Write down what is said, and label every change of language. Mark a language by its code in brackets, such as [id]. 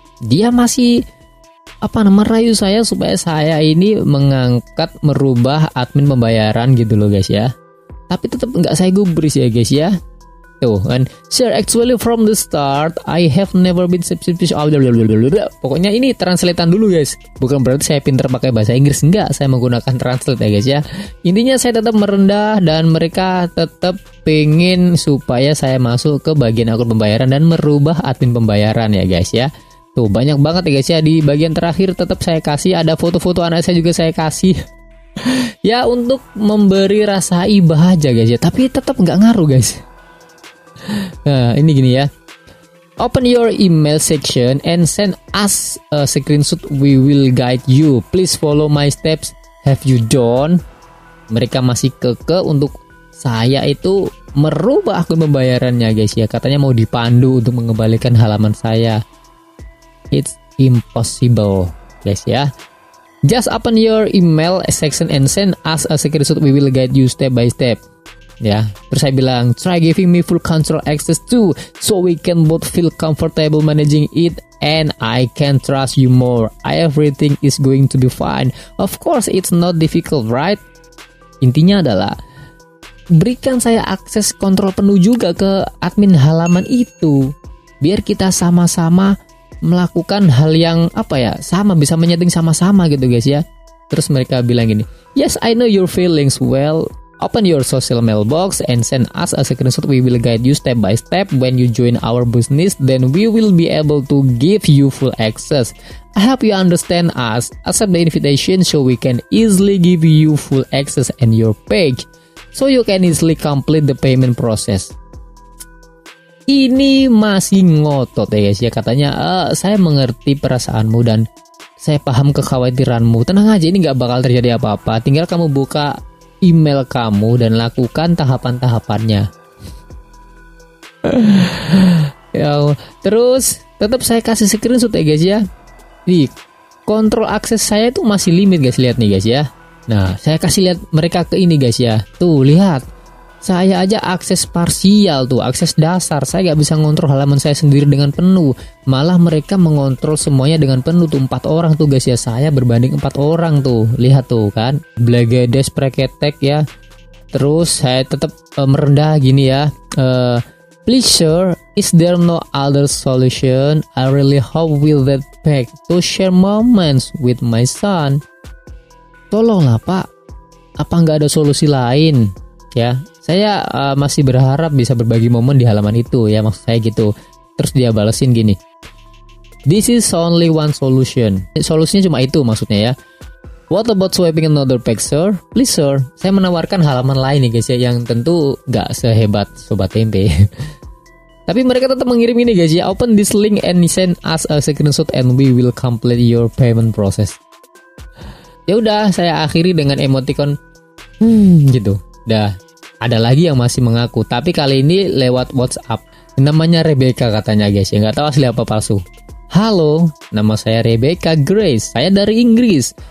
[id] Dia masih merayu saya supaya saya ini mengangkat, merubah admin pembayaran gitu loh guys ya. Tapi tetap nggak saya gubris ya guys ya. [en] Tuh, and sir, actually from the start, I have never been suspicious. [id] Pokoknya ini translate-an dulu guys. Bukan berarti saya pintar pakai bahasa Inggris. Enggak, saya menggunakan translate ya guys ya. Intinya saya tetap merendah dan mereka tetap pengen supaya saya masuk ke bagian akun pembayaran dan merubah admin pembayaran ya guys ya. Tuh banyak banget ya guys ya, di bagian terakhir tetap saya kasih, ada foto-foto anak saya juga saya kasih. Ya untuk memberi rasa iba aja guys ya, tapi tetap gak ngaruh guys. Nah ini gini ya, [en] open your email section and send us a screenshot, we will guide you, please follow my steps, have you done? [id] Mereka masih keke untuk saya itu merubah akun pembayarannya guys ya, katanya mau dipandu untuk mengembalikan halaman saya. [en] It's impossible, guys ya. Just open your email section and send us a screenshot. We will guide you step by step. [id] Ya, terus saya bilang, [en] try giving me full control access too, so we can both feel comfortable managing it, and I can trust you more. Everything is going to be fine. Of course, it's not difficult, right? [id] Intinya adalah, berikan saya akses kontrol penuh juga ke admin halaman itu, biar kita sama-sama melakukan hal yang sama, bisa menyeting sama-sama gitu guys ya. Terus mereka bilang gini, [en] yes I know your feelings well, open your social mailbox and send us a screenshot, we will guide you step by step, when you join our business then we will be able to give you full access, I hope you understand us, accept the invitation so we can easily give you full access and your page so you can easily complete the payment process. [id] Ini masih ngotot ya guys ya, katanya saya mengerti perasaanmu dan saya paham kekhawatiranmu. Tenang aja, ini gak bakal terjadi apa-apa. Tinggal kamu buka email kamu dan lakukan tahapan-tahapannya. Ya, terus tetap saya kasih screenshot ya guys ya. Nih, kontrol akses saya itu masih limit guys, lihat nih guys ya. Nah, saya kasih lihat mereka ke ini guys ya. Tuh, lihat. Saya aja akses parsial tuh, akses dasar. Saya gak bisa ngontrol halaman saya sendiri dengan penuh. Malah mereka mengontrol semuanya dengan penuh tuh. 4 orang tuh guys ya, saya berbanding 4 orang tuh. Lihat tuh kan, Blagedes preketek ya. Terus saya tetap merendah gini ya. [en] Please sir, Is there no other solution? I really hope we'll get back to share moments with my son. [id] Tolonglah Pak, apa nggak ada solusi lain? Ya, saya masih berharap bisa berbagi momen di halaman itu. Ya, maksud saya gitu. Terus dia balesin gini. [en] This is only one solution. [id] Solusinya cuma itu maksudnya ya. [en] What about swiping another pack, sir? Please, sir. [id] Saya menawarkan halaman lain nih, guys ya, yang tentu nggak sehebat Sobat Tempe. Tapi mereka tetap mengirim ini, guys ya. [en] Open this link and send us a screenshot and we will complete your payment process. [id] Ya udah, saya akhiri dengan emoticon gitu. Dah, ada lagi yang masih mengaku, tapi kali ini lewat WhatsApp. Namanya Rebecca katanya, guys ya. Nggak tahu asli apa palsu. Halo, nama saya Rebecca Grace. Saya dari Inggris.